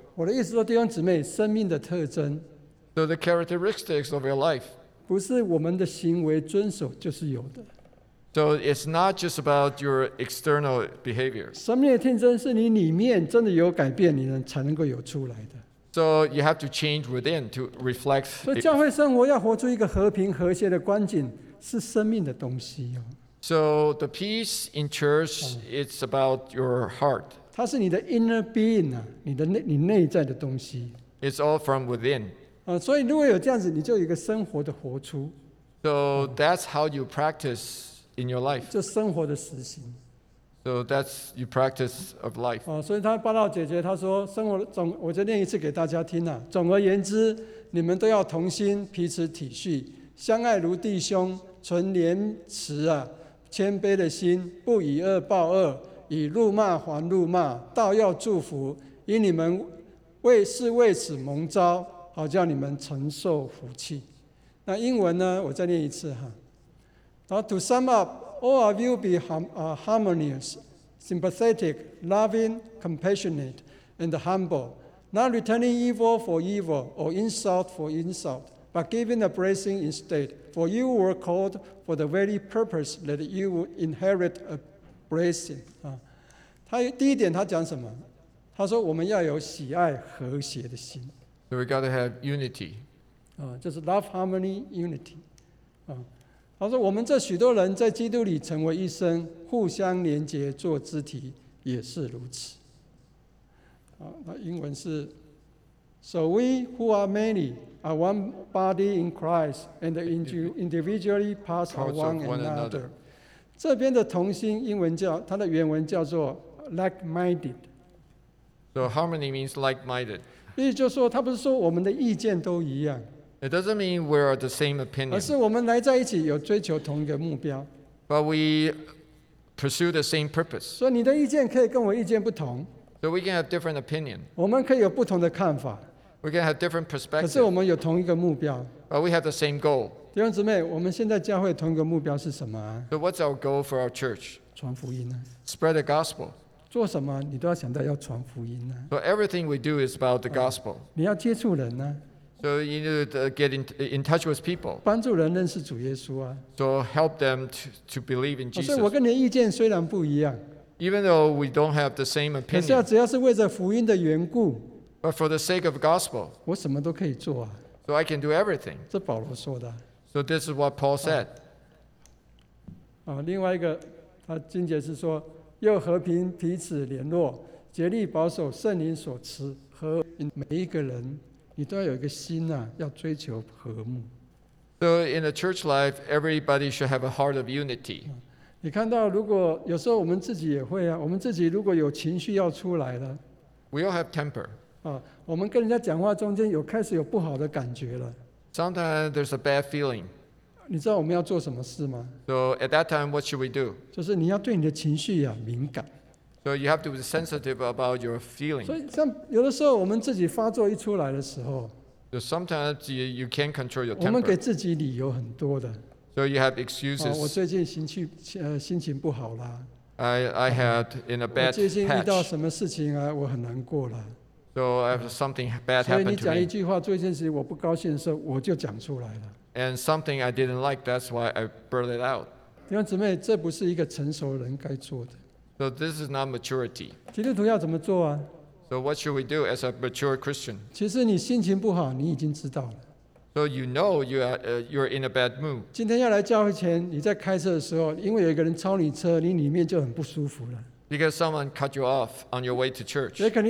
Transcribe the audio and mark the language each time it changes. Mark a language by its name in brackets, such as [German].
[Chinese] 我的意思说，弟兄姊妹，生命的特征。 [English] So the characteristics of your life. [Chinese] 不是我们的行为遵守就是有的。 [English] So it's not just about your external behavior. [Chinese] 生命的特征是你里面真的有改变，你才能够有出来的。 [English] So you have to change within to reflect. [Chinese] 所以教会生活要活出一个和平和谐的光景，是生命的东西哦。 [English] So the peace in church, it's about your heart. [Chinese] 它是你的 [English] inner being [Chinese] 啊，你内在的东西。 [English] It's all from within. [Chinese] 所以如果有这样子，你就有一个生活的活出。 [English] So that's how you practice in your life. [Chinese] 就生活的实行。 [English] So that's your practice of life. [Chinese] 所以他报道姐姐，他说生活总，我再念一次给大家听了。总而言之，你们都要同心，彼此体恤，相爱如弟兄，存怜慈啊，谦卑的心，不以恶报恶，以辱骂还辱骂，倒要祝福，因你们为此蒙召，好叫你们承受福气。那英文呢？我再念一次哈。好 ， [English] to sum up。 All of you be harmonious, sympathetic, loving, compassionate, and humble, not returning evil for evil or insult for insult, but giving a blessing instead, for you were called for the very purpose that you would inherit a blessing. [Chinese] 他第一点他讲什么？他说我们要有喜爱和谐的心。 [English] So we got to have unity. [Chinese] 就是 [English] love, harmony, unity. [Chinese] 他说：“我们这许多人在基督里成为一生，互相连接做肢体，也是如此。” 那英文是 [English] ：“So we who are many are one body in Christ, and individually parts of one another.” [Chinese] 这边的同心，英文叫它的原文叫做 “like-minded”。 [English] So harmony means like-minded. [Chinese] 意思就是说，他不是说我们的意见都一样。 [English] It doesn't mean we are the same opinion. [Chinese] 而是我们来在一起有追求同一个目标。 [English] But we pursue the same purpose. [Chinese] 所以你的意见可以跟我意见不同。 [English] So we can have different opinion. [Chinese] 我们可以有不同的看法。 [English] We can have different perspective. [Chinese] 可是我们有同一个目标。 [English] But we have the same goal. [Chinese] 弟兄姊妹，我们现在教会同一个目标是什么？ [English] So what's our goal for our church? [Chinese] 传福音啊。 [English] Spread the gospel. [Chinese] 做什么你都要想到要传福音啊。 [English] So everything we do is about the gospel. [Chinese] 你要接触人啊。 [English] So you need to get in touch with people. [Chinese] 帮助人认识主耶稣啊。 [English] So help them to believe in Jesus. [Chinese] 所以我跟你的意见虽然不一样。 [English] Even though we don't have the same opinion. [Chinese] 可是只要是为着福音的缘故。 [English] But for the sake of gospel. [Chinese] 我什么都可以做啊。 [English] So I can do everything. [Chinese] 这保罗说的。 [English] So this is what Paul said. [Chinese] 另外一个，他经节是说，又和平彼此联络，竭力保守圣灵所赐和每一个人。你都要有一个心啊，要追求和睦。 [English] So in a church life, everybody should have a heart of unity. [Chinese] 你看到，如果有时候我们自己也会啊，我们自己如果有情绪要出来了 [English] ，We all have temper. [Chinese] 我们跟人家讲话中间有开始有不好的感觉了。 [English] Sometimes there's a bad feeling. [Chinese] 你知道我们要做什么事吗 [English] ？So at that time, what should we do? [Chinese] 就是你要对你的情绪啊敏感。 [English] So you have to be sensitive about your feelings. [Chinese] 所以像有的时候我们自己发作一出来的时候 [English] ，So sometimes you can't control your temper. [Chinese] 我们给自己理由很多的。 [English] So you have excuses. [Chinese] 我最近心情不好啦。 [English] I had in a bad patch. [Chinese] 我接近遇到什么事情啊，我很难过了。 [English] So if something bad happened to me. [Chinese] 所以你讲一句话，做一件事情，我不高兴的时候，我就讲出来了。 [English] And something I didn't like, that's why I blurted it out. [Chinese] 弟兄姊妹，这不是一个成熟人该做的。 [English] So this is not maturity. [Chinese] 基督徒要怎么做啊？ [English] So what should we do as a mature Christian? [Chinese] 其实你心情不好，你已经知道了。 [English] So you know you're in a bad mood. [Chinese] 今天要来教会前，你在开车的时候，因为有一个人超你车，你里面就很不舒服了。 [English] Because someone cut you off on your way to church.